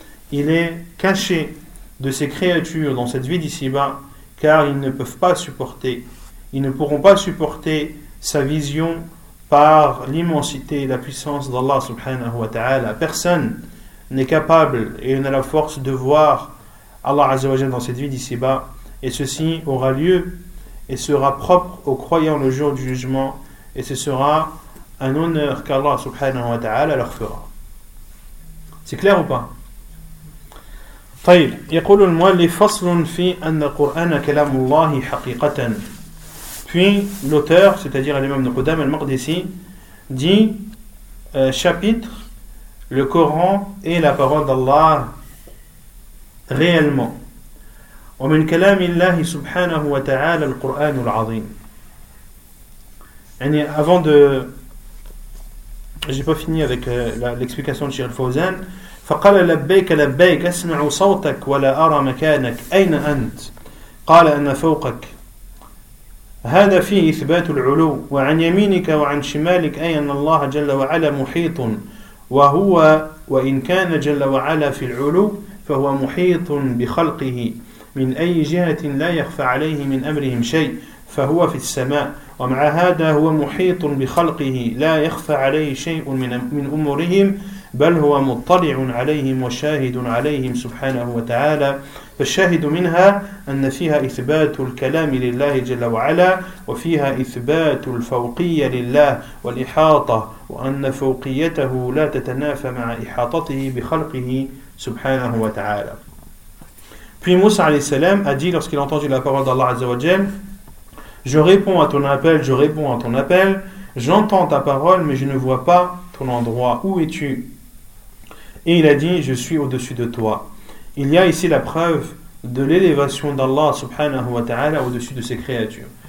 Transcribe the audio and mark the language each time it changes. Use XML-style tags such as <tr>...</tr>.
<fr>Il est caché de ses créatures dans cette vie d'ici-bas, car ils ne pourront pas supporter sa vision par l'immensité et la puissance d'Allah subhanahu wa ta'ala. Personne n'est capable et n'a la force de voir Allah Azzawajal dans cette vie d'ici-bas, et ceci aura lieu et sera propre aux croyants le jour du jugement, et ce sera un honneur qu'Allah subhanahu wa ta'ala leur fera. C'est clair ou pas ?</fr> <ar>طيب يقول المؤلف فصل في أن القرآن كلام الله حقيقة.</ar> <fr>Puis l'auteur, c'est-à-dire l'imam de Qudam al-Maqdisi, dit chapitre, le Coran est la parole d'Allah réellement.</fr> <ar>ومن كلام الله سبحانه وتعالى القرآن العظيم.</ar> <fr>يعني avant de... J'ai pas fini avec l'explication de Cheikh Fawzan.</fr> <ar>فقال لبيك لبيك أسمع صوتك ولا أرى مكانك أين أنت قال أنا فوقك هذا فيه إثبات العلو وعن يمينك وعن شمالك أي أن الله جل وعلا محيط وهو وإن كان جل وعلا في العلو فهو محيط بخلقه من أي جهة لا يخفى عليه من أمرهم شيء فهو في السماء ومع هذا هو محيط بخلقه لا يخفى عليه شيء من أمرهم بل هو مطلع عليهم وشاهد عليهم سبحانه وتعالى فالشاهد منها أن فيها إثبات الكلام لله جل وعلا وفيها إثبات الفوقية لله والإحاطة وأن فوقيته لا تتنافى مع إحاطته بخلقه سبحانه وتعالى.</ar> <fr>Puis Moussa عليه السلام a dit lorsqu'il a entendu la parole d'Allah عز وجل: Je réponds à ton appel, je réponds à ton appel, j'entends ta parole mais je ne vois pas ton endroit, où es-tu? Et il a dit, je suis au-dessus de toi. Il y a ici la preuve de l'élévation d'Allah subhanahu wa ta'ala au-dessus de ses créatures.</fr>